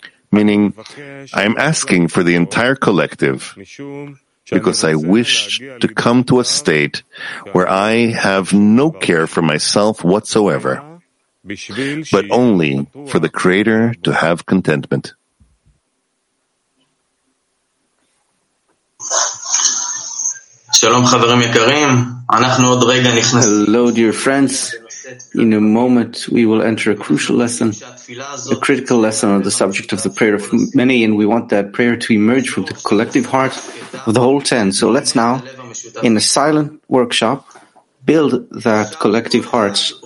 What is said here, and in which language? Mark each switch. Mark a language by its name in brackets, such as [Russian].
[English] Meaning, I am asking for the entire collective because I wish to come to a state where I have no care for myself whatsoever, but only for the Creator to have contentment. [Hebrew] שלום חברים יקרים, אנחנו עוד רגע נכנסים. [English] Hello dear friends, in a moment we will enter a crucial lesson, a critical lesson on the subject of the prayer of many, and we want that prayer to emerge from the collective heart of the whole ten. So let's now, in a silent workshop, build that collective heart.